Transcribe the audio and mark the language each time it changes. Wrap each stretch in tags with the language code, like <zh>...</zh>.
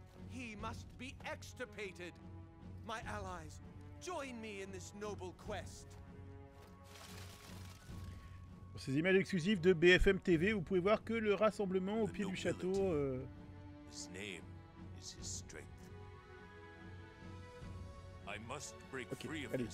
<en>He must be extirpated. My allies, join me in this noble quest.</en> <fr>ces images exclusives de BFM TV, vous pouvez voir que le rassemblement au pied du château.</fr> <en>His name is his strength. I must break okay, free of allez, this.</en>